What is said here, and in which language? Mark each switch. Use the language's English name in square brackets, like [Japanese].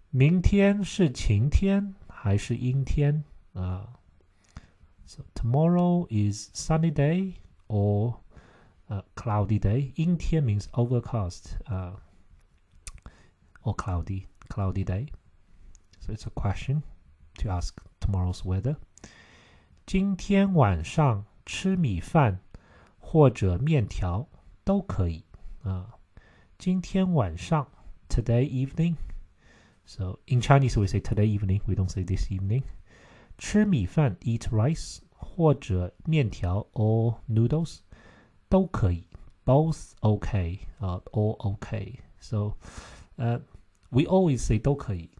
[Chinese] 明天是晴天?还是阴天? [English] So tomorrow is sunny day or cloudy day. 阴天 means overcast or cloudy day. So it's a question to ask tomorrow's weather. [Chinese] 今天晚上吃米饭或者面条都可以. 今天晚上, [English] today evening. So in Chinese, we say today evening, we don't say this evening. [Chinese] 吃米饭, [English] eat rice, [Chinese] 或者面条, [English] or noodles, [Chinese] 都可以, [English] both okay, all okay. So we always say 都可以,